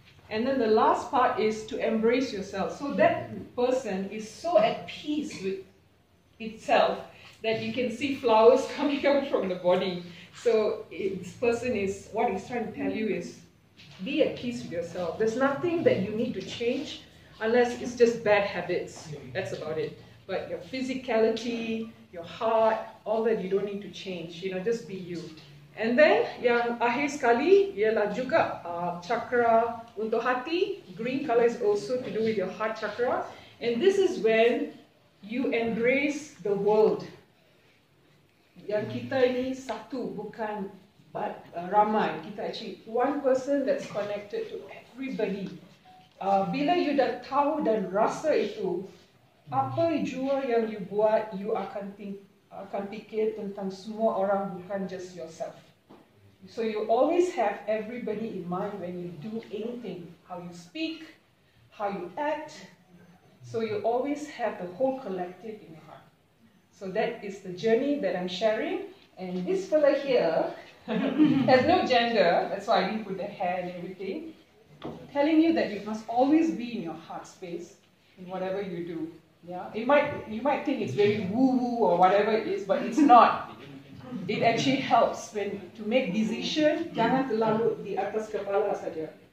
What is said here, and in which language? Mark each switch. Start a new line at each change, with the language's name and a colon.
English: And then the last part is to embrace yourself. So that person is so at peace with itself that you can see flowers coming out from the body. So this person is, what he's trying to tell you is, be at peace with yourself. There's nothing that you need to change unless it's just bad habits. That's about it. But your physicality, your heart, all that you don't need to change. You know, just be you. And then
Malay: yang akhir sekali ialah juga chakra untuk hati.
English: Green color is also to do with your heart chakra. And this is when you embrace the world.
Malay: Yang kita ini satu, bukan ramai.
English: Kita actually one person that's connected to everybody.
Malay: Bila you dah tahu dan rasa itu, apa jua yang you buat, you akan fikir tentang semua orang, bukan
English: just yourself. So you always have everybody in mind when you do anything. How you speak, how you act. So you always have the whole collective in your heart. So that is the journey that I'm sharing. And this fella here has no gender, that's why I didn't put the hair and everything. Telling you that you must always be in your heart space in whatever you do. Yeah, you might think it's very woo-woo or whatever it is, but it's not. It actually helps when to make decision.
Malay: Jangan terlalu di atas kepala saja.